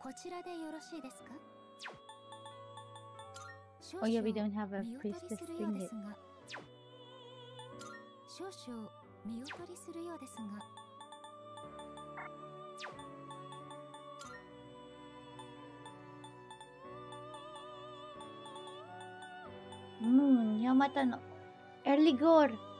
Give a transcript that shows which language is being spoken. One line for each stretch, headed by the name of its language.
Japanese: こちらでよろしいですか?
English: Oh yeah, we don't have a priestess thing yet.
Japanese: 少々見劣りするようですが。ヤマタのエリゴール。